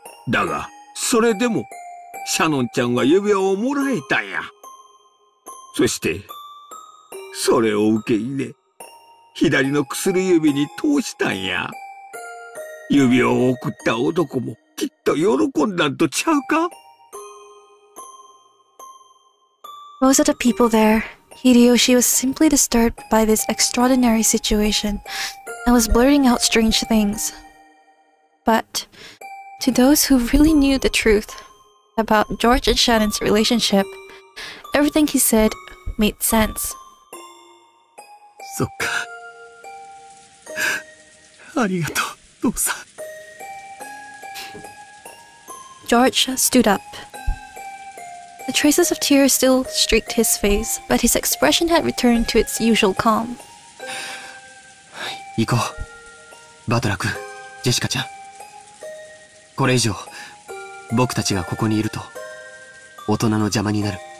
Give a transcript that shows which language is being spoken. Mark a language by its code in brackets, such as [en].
[ja] だがそれでもシャノンちゃんは指輪をもらえたんや。そしてそれを受け入れ左の薬指に通したんや。指輪を送った男もきっと喜んだんとちゃうか。 [en] Most of the people there, Hideyoshi was simply disturbed by this extraordinary situation and was blurting out strange things. But to those who really knew the truth about George and Shannon's relationship, everything he said made sense. [ja] そっか。ありがとう、父さん。 [en] George stood up. The traces of tears still streaked his face, but his expression had returned to its usual calm. [ja] 行こう。バトラ君、ジェシカちゃん。これ以上、僕たちがここにいると、大人の邪魔になる。